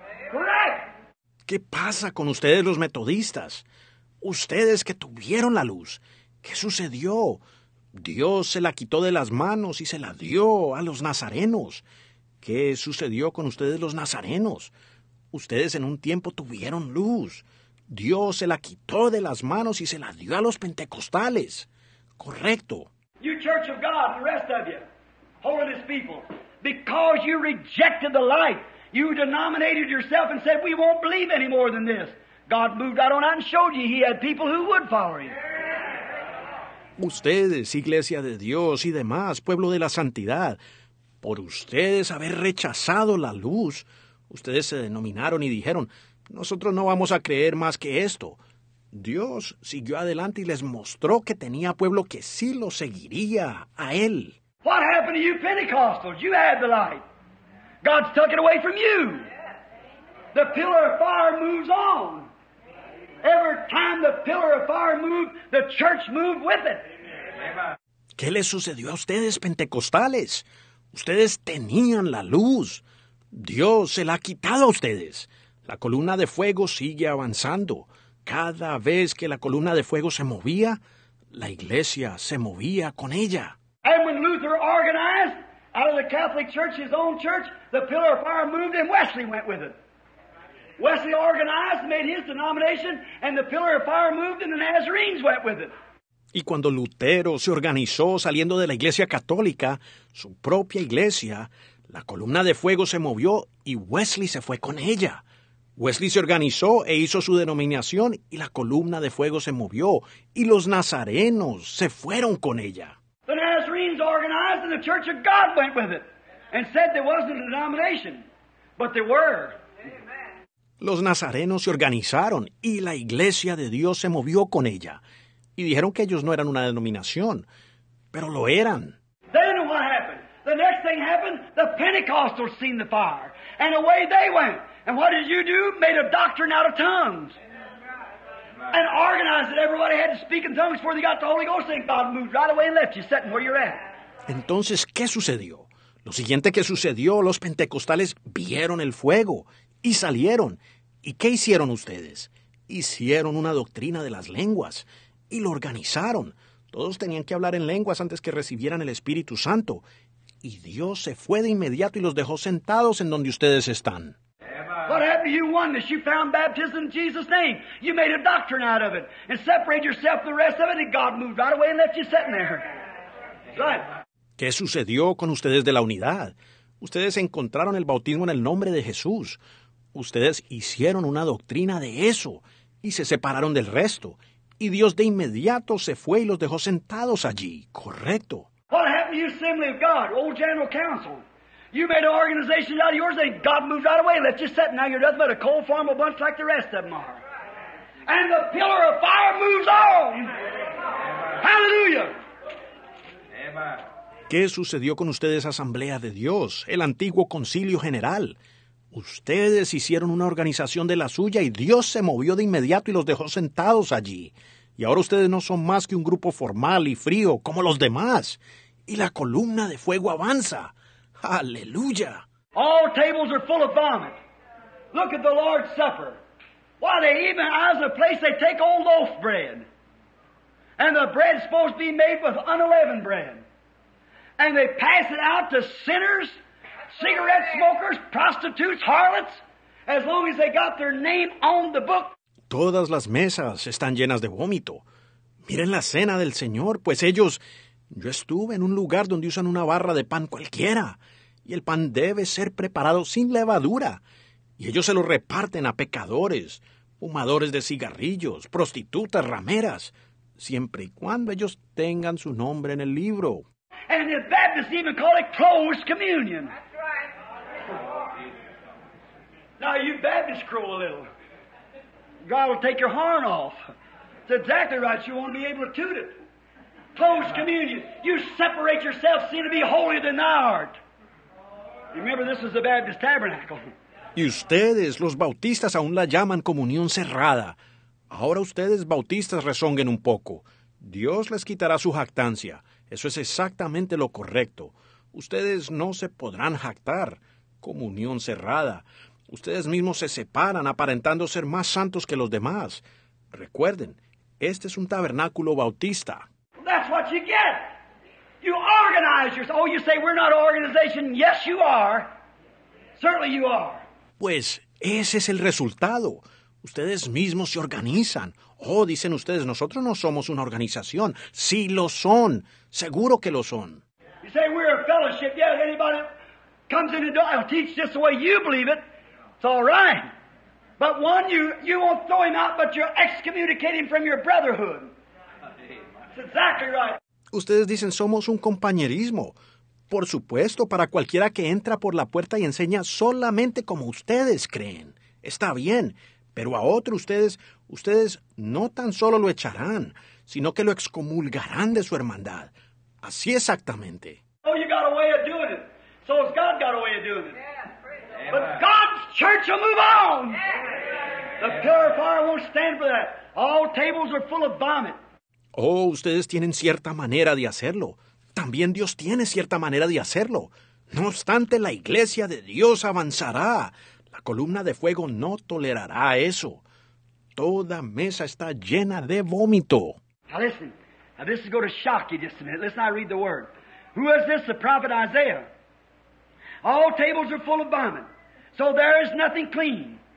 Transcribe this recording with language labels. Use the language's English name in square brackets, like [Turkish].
[English] Correct. [Spanish] ¿Qué pasa con ustedes, los metodistas? Ustedes que tuvieron la luz. ¿Qué sucedió? Dios se la quitó de las manos y se la dio a los nazarenos. ¿Qué sucedió con ustedes, los nazarenos? Ustedes en un tiempo tuvieron luz. Dios se la quitó de las manos y se la dio a los pentecostales. Correcto. [English] You Church of God, the rest of you, holiness people, because you rejected the light, you denominated yourself and said, we won't believe any more than this. God moved out on out and showed you he had people who would follow him. [Spanish] Ustedes, iglesia de Dios y demás, pueblo de la santidad, por ustedes haber rechazado la luz, ustedes se denominaron y dijeron, nosotros no vamos a creer más que esto. Dios siguió adelante y les mostró que tenía pueblo que sí lo seguiría a él. [English] What happened to you Pentecostals? You had the light. God's took it away from you. The pillar of fire moves on. Every time the pillar of fire moved, the church moved with it. [Spanish] ¿Qué les sucedió a ustedes, pentecostales? Ustedes tenían la luz. Dios se la ha quitado a ustedes. La columna de fuego sigue avanzando. Cada vez que la columna de fuego se movía, la iglesia se movía con ella. [English] And when Luther organized out of the Catholic Church, his own church, the pillar of fire moved and Wesley went with it. Wesley organized, made his denomination, and the pillar of fire moved and the Nazarenes went with it. [Spanish] Y cuando Lutero se organizó saliendo de la iglesia católica, su propia iglesia, la columna de fuego se movió y Wesley se fue con ella. Wesley se organizó e hizo su denominación y la columna de fuego se movió y los nazarenos se fueron con ella. [English] The Nazarenes organized and the Church of God went with it and said there wasn't a denomination, but there were. [Spanish] Los nazarenos se organizaron y la iglesia de Dios se movió con ella. Y dijeron que ellos no eran una denominación, pero lo eran. [English] Then what happened? The next thing happened, the Pentecostals seen the fire. And away they went. And what did you do? Made a doctrine out of tongues. And organized it. Everybody had to speak in tongues before they got the Holy Ghost. And God moved right away and left you, sitting where you're at. [Spanish] Entonces, ¿qué sucedió? Lo siguiente que sucedió, los pentecostales vieron el fuego y salieron. ¿Y qué hicieron ustedes? Hicieron una doctrina de las lenguas y lo organizaron. Todos tenían que hablar en lenguas antes que recibieran el Espíritu Santo. Y Dios se fue de inmediato y los dejó sentados en donde ustedes están. [English] What happened to you, oneness? You found baptism in Jesus' name. You made a doctrine out of it and separated yourself from the rest of it, and God moved right away and left you sitting there. Right. [Spanish] ¿Qué sucedió con ustedes de la unidad? Ustedes encontraron el bautismo en el nombre de Jesús. Ustedes hicieron una doctrina de eso y se separaron del resto. Y Dios de inmediato se fue y los dejó sentados allí. Correcto. [English] What happened to you, Assembly of God, old General Council? You made an organization out of yours, and God moved right away and left you sitting. Now you're nothing but a cold, formal bunch like the rest of them are. And the pillar of fire moves on. Amen. Hallelujah. Amen. [Spanish] ¿Qué sucedió con ustedes, Asamblea de Dios, el antiguo Concilio General? Ustedes hicieron una organización de la suya y Dios se movió de inmediato y los dejó sentados allí. Y ahora ustedes no son más que un grupo formal y frío, como los demás. Y la columna de fuego avanza. ¡Aleluya! [English] All tables are full of vomit. Look at the Lord's Supper. Why, they even as a place they take old loaf bread. And the bread's supposed to be made with unleavened bread. And they pass it out to sinners, cigarette smokers, prostitutes, harlots, as long as they got their name on the book. [Spanish] Todas las mesas están llenas de vómito. Miren la cena del Señor, pues ellos... Yo estuve en un lugar donde usan una barra de pan cualquiera, y el pan debe ser preparado sin levadura, y ellos se lo reparten a pecadores, fumadores de cigarrillos, prostitutas, rameras, siempre y cuando ellos tengan su nombre en el libro. [English] And the Baptists even call it closed communion. That's right. Now, you Baptists crow a little. God will take your horn off. It's exactly right. You won't be able to toot it. Closed communion. You separate yourself, seem to be holier than thou art. Remember, this is the Baptist tabernacle. [Spanish] Y ustedes, los bautistas, aún la llaman comunión cerrada. Ahora ustedes, bautistas, rezonguen un poco. Dios les quitará su jactancia. Eso es exactamente lo correcto. Ustedes no se podrán jactar. Comunión cerrada. Ustedes mismos se separan aparentando ser más santos que los demás. Recuerden, este es un tabernáculo bautista. [English] That's what you get. You organize yourself. Oh, you say we're not an organization. Yes, you are. Certainly you are. [Spanish] Pues ese es el resultado. Ustedes mismos se organizan. Oh, dicen ustedes, nosotros no somos una organización. Sí lo son. Seguro que lo son. [English] You say we're a fellowship. Yeah, anybody comes in and I'll teach just the way you believe it. It's all right. But one, you won't throw him out, but you're excommunicating from your brotherhood. It's exactly right. [Spanish] Ustedes dicen somos un compañerismo. Por supuesto, para cualquiera que entra por la puerta y enseña solamente como ustedes creen. Está bien. Pero a otro ustedes no tan solo lo echarán, sino que lo excomulgarán de su hermandad. Así exactamente. [English] Oh, you got a way of doing it. So has God got a way of doing it. Yeah, but God's church will move on. Yeah. The purifier won't stand for that. All tables are full of vomit. [Spanish] Oh, ustedes tienen cierta manera de hacerlo. También Dios tiene cierta manera de hacerlo. No obstante, la iglesia de Dios avanzará. La columna de fuego no tolerará eso. Toda mesa está llena de vómito. [English] Now listen. Now this is going to shock you just a minute. Listen, I read the word. Who is this? The prophet Isaiah. All tables are full of vomit. So there is nothing clean.